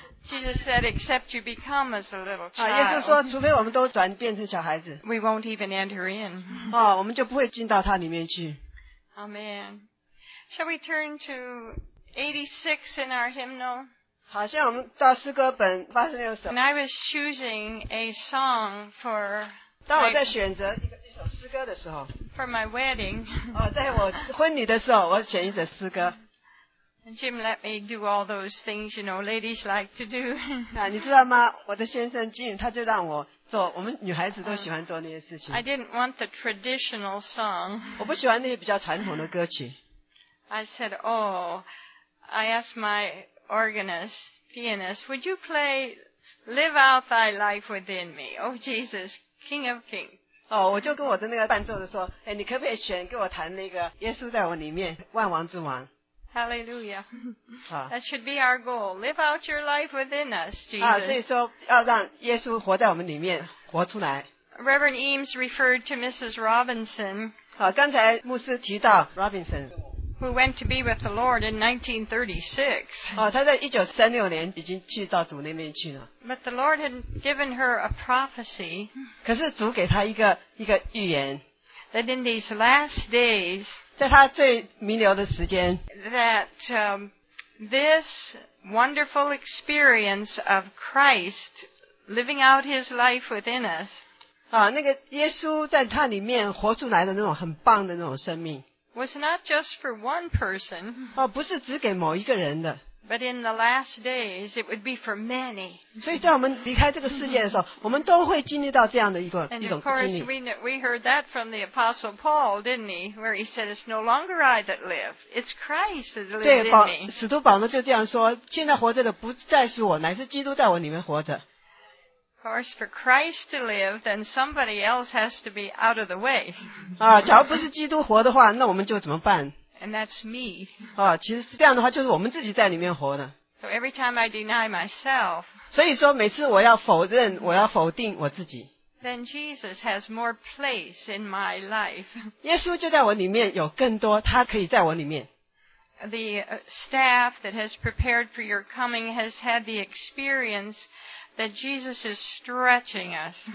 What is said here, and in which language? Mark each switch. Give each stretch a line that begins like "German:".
English: Jesus said, except you become as a little child.
Chinese: 耶稣说, 除非我们都转变成小孩子,
English: we won't even enter in.
Chinese: 我们就不会进到他里面去。
English: Amen. Shall we turn to 86 in our hymnal?
Chinese: 好,现在我们到诗歌本,
English: and I was choosing a song for for my wedding.
Chinese: 在我婚礼的时候我选一首诗歌。
English: Jim let me do all those things, you know, ladies like to do.
Chinese: 你知道吗? 我的先生 Jim, 他就让我做, 我们女孩子都喜欢做那些事情。
English: I didn't want the traditional song.
Chinese: 我不喜欢那些比较传统的歌曲。
English: I said, oh, I asked my organist, pianist, would you play Live Out Thy Life Within Me? Oh, Jesus, King of Kings.
Chinese: 我就跟我的那个伴奏的说, 你可不可以选给我弹那个耶稣在我里面,万王之王。
English: Hallelujah. That should be our goal. Live out your life within us, Jesus.
Chinese: 所以说要让耶稣活在我们里面,活出来。
English: Reverend Eames referred to Mrs. Robinson.
Chinese: 刚才牧师提到Robinson。
English: Who went to be with the Lord in 1936.
Chinese: 她在1936年已经去到主那边去了。
English: But the Lord had given her a prophecy.
Chinese: 可是主给她一个预言。
English: That in these last days,
Chinese: 在他最弥留的时间,
English: that this wonderful experience of Christ living out his life within us
Chinese: 那个耶稣在他里面活出来的那种很棒的那种生命,
English: was not just for one person,
Chinese: 不是只给某一个人的,
English: but in the last days, it would be for many.
Chinese: 所以在我们离开这个世界的时候, 我们都会经历到这样的一个,
English: and of course, we heard that from the Apostle Paul, didn't he? Where he said, it's no longer I that live. It's Christ that lives
Chinese: 对,
English: in
Chinese: 保,
English: me.
Chinese: 使徒保罗就这样说, 现在活着的不再是我, 乃是基督在我里面活着。
English: Of course, for Christ to live, then somebody else has to be out of the way.
Chinese: 假如不是基督活的话, 那我们就怎么办?
English: And that's me.
Chinese: 其实是这样的话就是我们自己在里面活的。
English: So every time I deny myself,
Chinese: 所以说每次我要否认, 我要否定我自己,
English: then Jesus has more place in my life.
Chinese: 耶稣就在我里面有更多,他可以在我里面。
English: The staff that has prepared for your coming has had the experience that Jesus is stretching us.